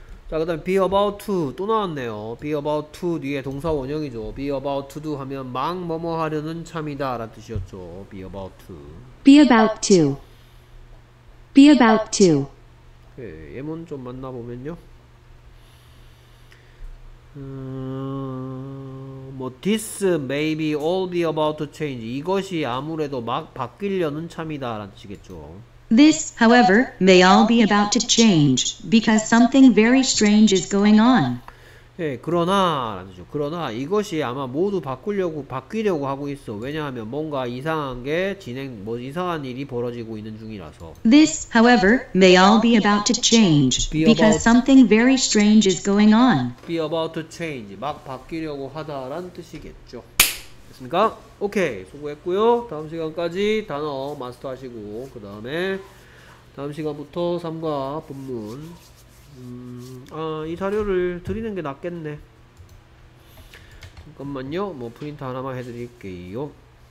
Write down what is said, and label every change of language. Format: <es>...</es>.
<ko>자, 그 다음 be about to 또 나왔네요. be about to 뒤에 동사 원형이죠. be about to do 하면 막 뭐뭐 하려는 참이다 라는 뜻이었죠. be about to.</ko> <en>be about to. be about to.</en> <ko>오케이, 예문 좀 만나보면요.</ko> <en>뭐 this may be all be about to change.</en> <ko>이것이 아무래도 막 바뀌려는 참이다 라는 뜻이겠죠.</ko> <en>This, however, may all be about to change because something very strange is going on.</en> <ko>예, 그러나 라는 뜻이죠. 그러나 이것이 아마 모두 바뀌려고 하고 있어. 왜냐하면 뭔가 이상한 게 진행, 뭐 이상한 일이 벌어지고 있는 중이라서.</ko> <en>This, however, may all be about to change because something very strange is going on. Be about to change.</en> <ko>막 바뀌려고 하다라는 뜻이겠죠. 됐습니까? 오케이. 수고했고요. 다음 시간까지 단어 마스터 하시고, 그 다음에 다음 시간부터 3과 본문. 이 자료를 드리는 게 낫겠네. 잠깐만요. 뭐 프린트 하나만 해드릴게요.</ko>